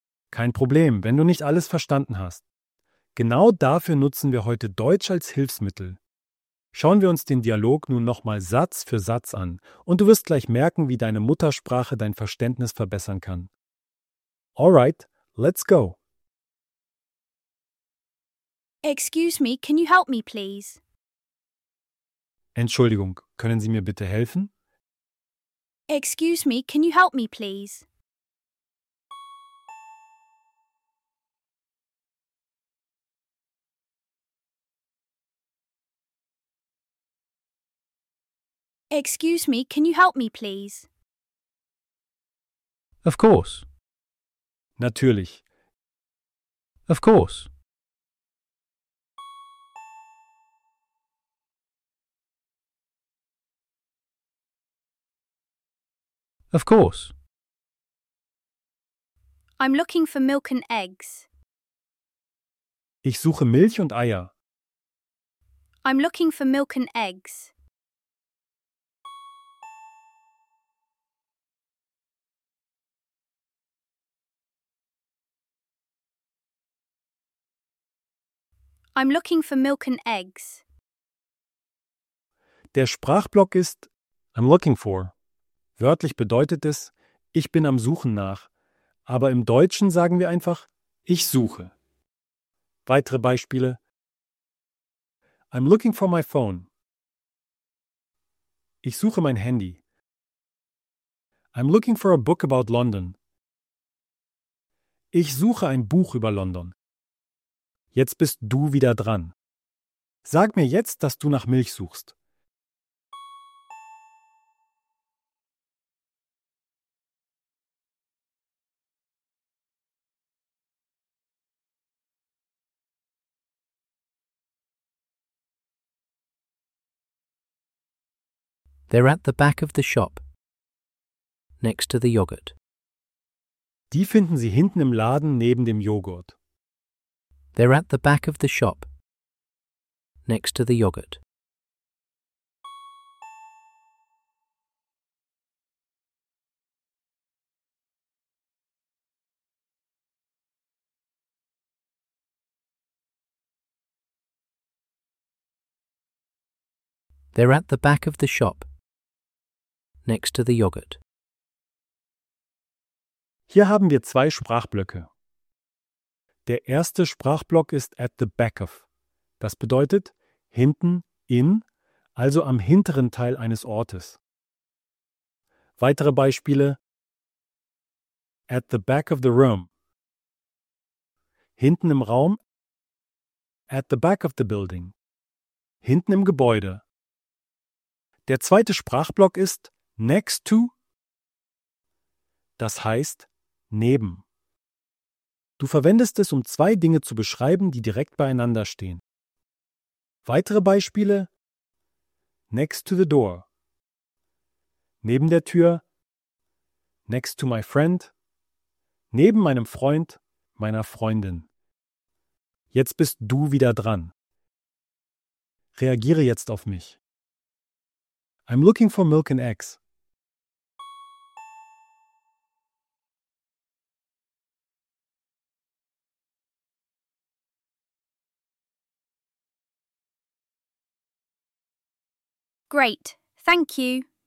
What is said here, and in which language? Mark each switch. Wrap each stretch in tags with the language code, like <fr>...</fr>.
<de>Kein Problem, wenn du nicht alles verstanden hast. Genau dafür nutzen wir heute Deutsch als Hilfsmittel. Schauen wir uns den Dialog nun nochmal Satz für Satz an und du wirst gleich merken, wie deine Muttersprache dein Verständnis verbessern kann.</de> <en>Alright, let's go. Excuse me, can you help me, please?</en> <de>Entschuldigung, können Sie mir bitte helfen?</de> <en>Excuse me, can you help me, please? Excuse me, can you help me, please? Of course.</en> <de>Natürlich.</de> <en>Of course. Of course. I'm looking for milk and eggs.</en> <de>Ich suche Milch und Eier.</de> <en>I'm looking for milk and eggs. I'm looking for milk and eggs.</en> <de>Der Sprachblock ist</de> <en>I'm looking for.</en> <de>Wörtlich bedeutet es, ich bin am Suchen nach. Aber im Deutschen sagen wir einfach, ich suche. Weitere Beispiele.</de> <en>I'm looking for my phone.</en> <de>Ich suche mein Handy.</de> <en>I'm looking for a book about London.</en> <de>Ich suche ein Buch über London. Jetzt bist du wieder dran. Sag mir jetzt, dass du nach Milch suchst.</de> <en>They're at the back of the shop, next to the yogurt.</en> <de>Die finden Sie hinten im Laden neben dem Joghurt.</de> <en>They're at the back of the shop, next to the yogurt. They're at the back of the shop, next to the yogurt.</en> <de>Hier haben wir zwei Sprachblöcke. Der erste Sprachblock ist</de> <en>at the back of.</en> <de>Das bedeutet hinten, in, also am hinteren Teil eines Ortes. Weitere Beispiele:</de> <en>at the back of the room.</en> <de>Hinten im Raum.</de> <en>At the back of the building.</en> <de>Hinten im Gebäude. Der zweite Sprachblock ist</de> <en>next to.</en> <de>Das heißt neben. Du verwendest es, um zwei Dinge zu beschreiben, die direkt beieinander stehen. Weitere Beispiele:</de> <en>next to the door,</en> <de>neben der Tür,</de> <en>next to my friend,</en> <de>neben meinem Freund, meiner Freundin. Jetzt bist du wieder dran. Reagiere jetzt auf mich.</de> <en>I'm looking for milk and eggs. Great, thank you.</en>